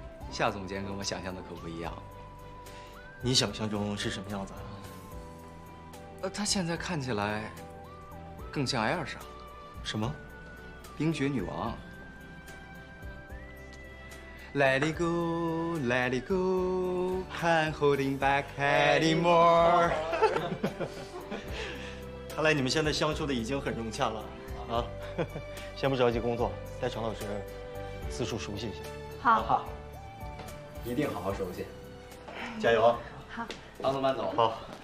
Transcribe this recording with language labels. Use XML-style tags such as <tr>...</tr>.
<zh>夏总监跟我想象的可不一样。你想象中是什么样子啊？他现在看起来更像艾尔莎。什么？冰雪女王。</zh> <en>Let it go, let it go, I'm holding back anymore.</en> <zh>看来你们现在相处的已经很融洽了，啊，先不着急工作，带程老师四处熟悉一下。好，好，一定好好熟悉，加油。好，慢走，慢走。好。</zh>